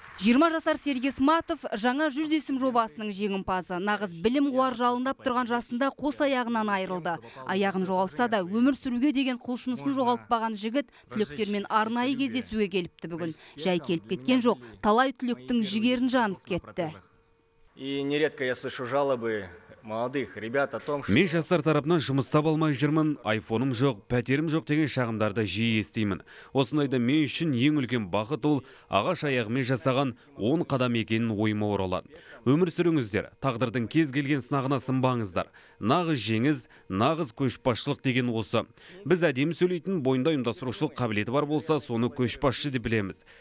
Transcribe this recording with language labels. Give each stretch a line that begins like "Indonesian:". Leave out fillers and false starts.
Kazakh: 20 жасар Сергей Сматов жаңа 100 есім жобасының жеңімпазы. Нағыз білім қуар жалындап тұрған жасында қос аяғынан айырылды. Аяғын жоғалтса да өмір сүруге деген құлшынысын жоғалтпаған жігіт түлектермен арнайы кездесуге келіпті бүгін. Жай келіп кеткен жоқ, талай түлектің жігерін жанып кетті.
Russian: И нередко я слышу жалобы молодых ребят о том, что...
Kazakh: Мен жастар тарапынан жұмыс таба алмай жүрмін, айфоным жоқ, пәтерім жоқ деген шағымдарды жиі естеймін. Осындайда мен үшін ең үлкен бақыт ол ағаш аяғымен жасаған 10 қадам екенін ойыма оралады. Өмір сүріңіздер, тағдырдың кез келген сынағына сынбаңыздар. Нағыз жеңіс, нағыз көшбасшылық деген осы. Біз әдемі сөйлейтін бойында ұйымдастырушылық қабілеті бар болса, соны көшбасшы деп білеміз.